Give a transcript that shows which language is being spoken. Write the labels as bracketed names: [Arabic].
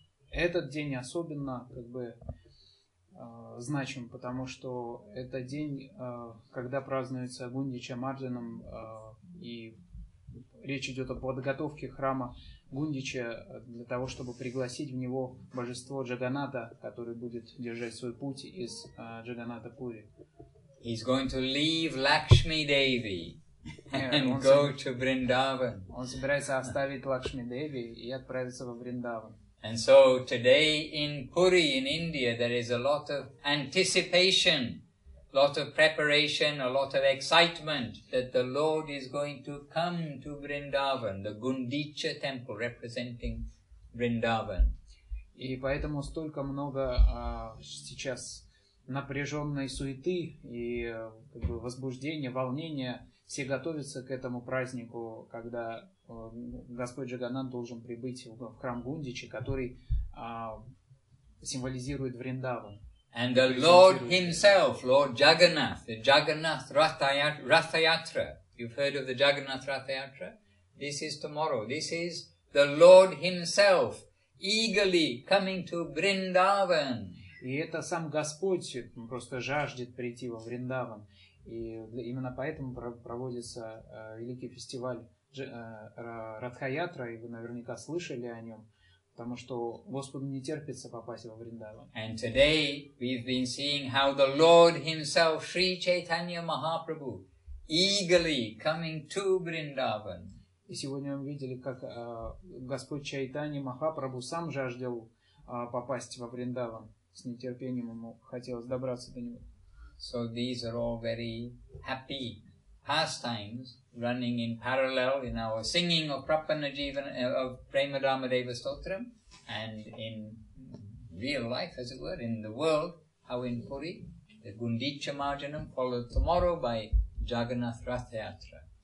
[Russian] Этот день особенно как бы значим, потому что это день, когда празднуется Гундича Марджанам, и речь идет о подготовке храма Гундича для того, чтобы пригласить в него божество Джаганната, который будет держать свой путь из Джаганната Пури. [English] He's going to leave Lakshmi Devi and go to Vrindavan. [Russian] Он собирается оставить Лакшми Деви и отправиться во Вриндаван. [English] And so today in Puri in India there is a lot of anticipation, a lot of preparation, a lot of excitement that the Lord is going to come to Vrindavan, the Gundicha temple representing Vrindavan. [Russian] И поэтому столько много сейчас напряженной суеты и как бы возбуждения, волнения. Все готовятся к этому празднику, когда Господь Джаганнат должен прибыть в храм Гундичи, который символизирует Вриндаван. [English] And the Lord himself, Lord Jagannath, the Jagannath Rathayatra. You've heard of the Jagannath Rathayatra? This is tomorrow. This is the Lord himself eagerly coming to Vrindavan. [Russian] И это сам Господь просто жаждет прийти во Вриндаван. И именно поэтому проводится великий фестиваль Радха-ятра, и вы наверняка слышали о нем, потому что Господу не терпится попасть во Вриндаван. [English] And today we've been seeing how the Lord himself, Sri Chaitanya Mahaprabhu, eagerly coming to Vrindavan. [Russian] И сегодня мы видели, как Господь Чайтанья Махапрабху сам жаждал попасть во Вриндаван. С нетерпением ему хотелось добраться до него. [English] So these are all very happy pastimes running in parallel in our singing of Prapanajivana, of Premadama Deva Stotram, and in real life, as it were, in the world, how in Puri, the Gundicha Marjanam, followed tomorrow by Jagannath Rathayatra.